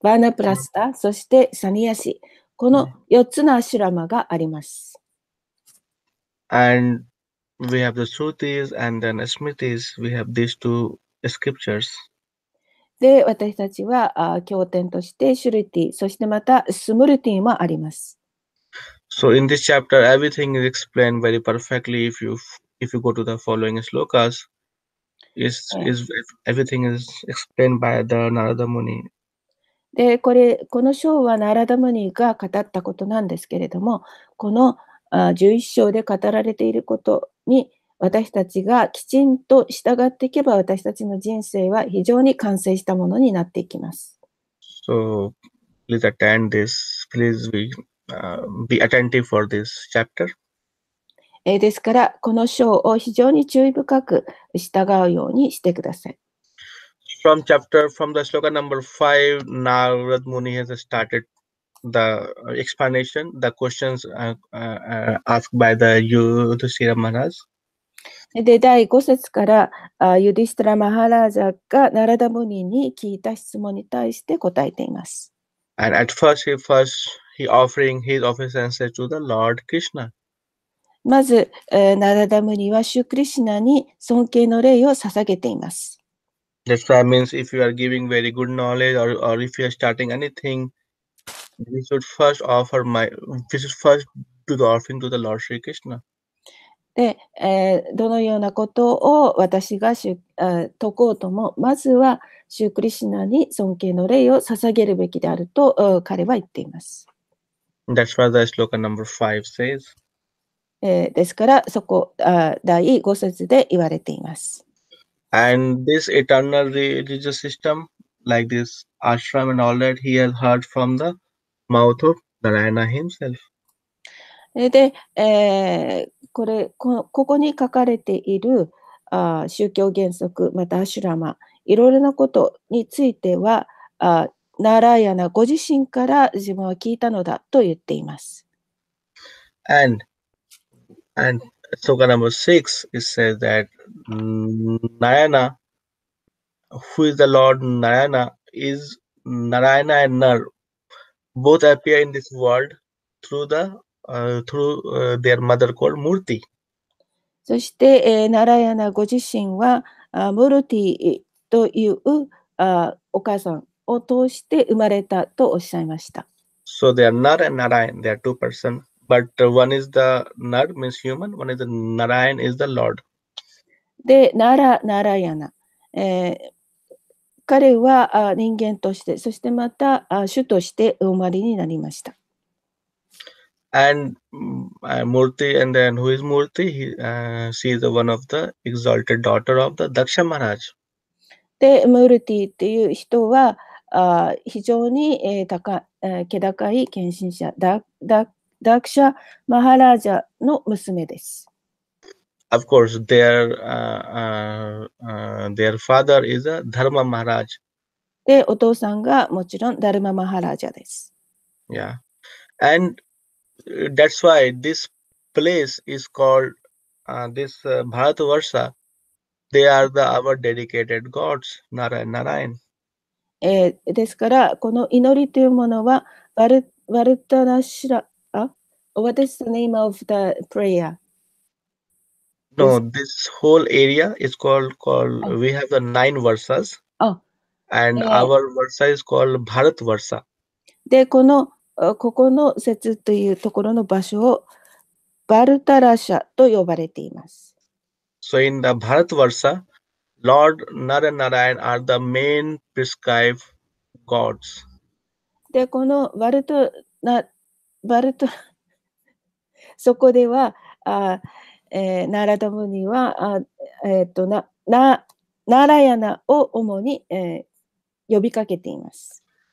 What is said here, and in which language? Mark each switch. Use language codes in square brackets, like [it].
[ja] バーナプラスタ、そしてサニヤシ、この4つのアシュラマがあります。 [en] And we have the Shrutis and then Smritis. We have these two scriptures. [ja] で、私たちは経典としてシュルティ、そしてまたスムルティもあります。 [en] So in this chapter, everything is explained very perfectly. If you go to the following slokas, is everything is explained by the Narada Muni. [ja] で、これ、この章はナラダムニが語ったことなんですけれども、この11章で語られていることに私たちがきちんと従っていけば、私たちの人生は非常に完成したものになっていきます。 [en] So, please attend this. Please be attentive for this chapter. [ja] ですから、この章を非常に注意深く従うようにしてください。 [en] From chapter, from the sloka number 5, Narad Muni has started the explanation, the questions asked by the Yudhishthira Maharaj. [ja] で、第5節から、ユディシュトラ・マハラージャがナラダムニに聞いた質問に対して答えています。 [en] And at first, he offering his obeisance to the Lord Krishna. [ja] まず、ナラダムニはシュクリシナに尊敬の礼を捧げています。 [en] That's what means if you are giving very good knowledge or if you are starting anything, we should first offer my, we should first do the offering to the Lord Shri Krishna. [ja] で、どのようなことを私が説こうとも、まずはシュークリシナに尊敬の礼を捧げるべきであると彼は言っています。 [en] That's what the sloka number 5 says. [ja] ですから、そこ、第5節で言われています。 [en] And this eternal religious system, like this ashram and all that, he has heard from the mouth of Narayana himself. [ja] で、これ、ここに書かれている宗教原則、またアシュラマ、いろいろなことについては、ナラヤナご自身から自分は聞いたのだと言っています。 [en] And Sloka number 6, it says that Narayana, who is the Lord Narayana, is Narayana and Nar, both appear in this world through the through their mother called Murti. [ja] そして、Narayana ご自身は、Murti という、お母さんを通して生まれたとおっしゃいました。 [en] So they are Nar and Narayan, they are two persons. But one is the Nar, means human, one is the Narayan, is the Lord. [ja] で、Narayana。彼は人間として、そしてまた主として生まれになりました。 [en] And Murti, and then who is Murti? She is one of the exalted daughter of the Daksha Maharaj. [ja] で、Murti っていう人は非常に気高い献身者だ。ダクシャ・マハラージャの娘です。 [en] Of course, their father is a Dharma Maharaj. [ja] で、お父さんがもちろんダルマ・マハラージャです。 [en] Yeah. And that's why this place is called, this Bharatvarsha, they are the our dedicated gods, Narayan. [ja] ですから、この祈りというものは、バルタナシラ、 [en] What is the name of the prayer? No, this whole area is called we have the 9 verses. Oh. And our verse is called Bharat Varsha. [ja] で、この、ここの節というところの場所をバルタラシャと呼ばれています。 [en] So in the Bharat Varsha, Lord Naranarayan are the main prescribed gods. [ja] で、このバルタ、な、バルタ、そこでは、ナラダムニは、ナラヤナを主に、呼びかけています。